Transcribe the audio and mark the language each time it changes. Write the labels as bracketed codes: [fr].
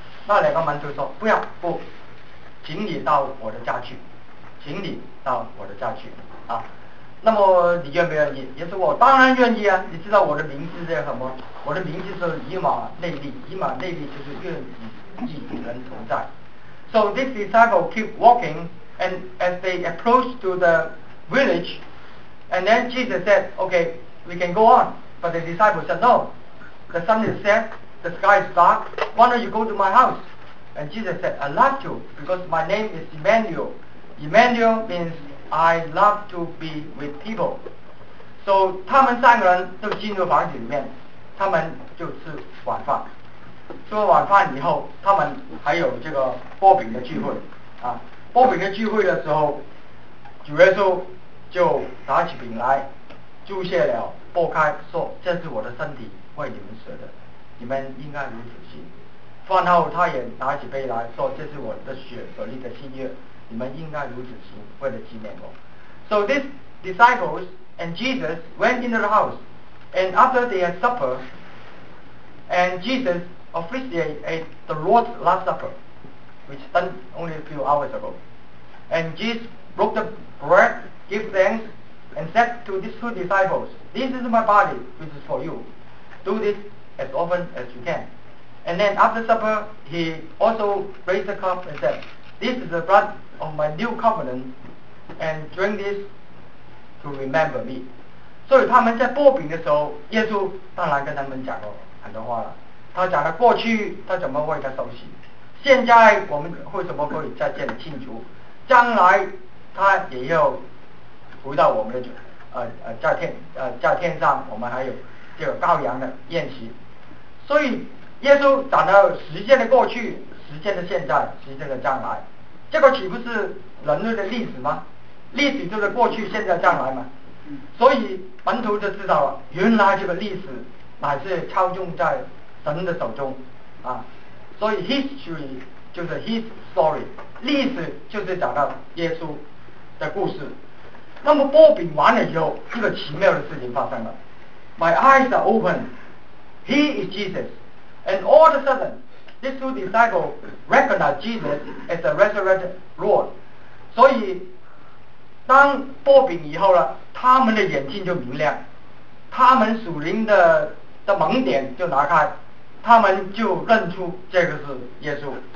[zh] 那两个门徒说，不要，不，请你到我的家去，请你到我的家去啊。那么你愿不愿意？耶稣说，我当然愿意啊，你知道我的名字叫什么？我的名字是以马内利，以马内利就是愿与义人同在。 [en] So this disciple keep walking, and as they approach to the village, and then Jesus said, okay, we can go on. But the disciple said, no, the sun is set, the sky is dark, why don't you go to my house? And Jesus said, I love to, because my name is Emmanuel. Emmanuel means I love to be with people. [zh] So 他们三个人都进入房子里面，他们就吃晚饭。吃了晚饭以后，他们还有这个擘饼的聚会啊。擘饼的聚会的时候，主耶稣就拿起饼来，祝谢了，擘开说：“这是我的身体，为你们舍的，你们应该如此行。” 饭后，他也拿起杯来说：“这是我的血，所立的新约，你们应该如此行，为了纪念我。” [en] So these disciples and Jesus went into the house, and after they had supper, and Jesus officiated the Lord's Last Supper, which done only a few hours ago. And Jesus broke the bread, gave thanks, and said to these two disciples, "This is my body, which is for you. Do this as often as you can." And then after supper, he also raised the cup and said, "This is the bloodOf my new covenant, and drink this to remember me." [zh] So, 他们在擘饼的时候，耶稣当然跟他们讲了很多话了。他讲了过去他怎么为他受洗，现在我们为什么可以再见的庆祝，将来他也要回到我们的在天上，我们还有这个羔羊的宴席。所以，耶稣讲到时间的过去、时间的现在、时间的将来。这个岂不是人类的历史吗？历史就是过去、现在、将来嘛。所以门徒就知道了，原来这个历史乃是操纵在神的手中啊。所以 history 就是 [en] his story， [zh] 历史就是讲到耶稣的故事。那么擘饼完了以后，这个奇妙的事情发生了。 [en] My eyes are open. He is Jesus. And all of a sudden. These two disciples recognize Jesus as the resurrected Lord. [zh] 所以当擘饼以后了，他们的眼睛就明亮，他们属灵 的盲点就拿开，他们就认出这个是耶稣。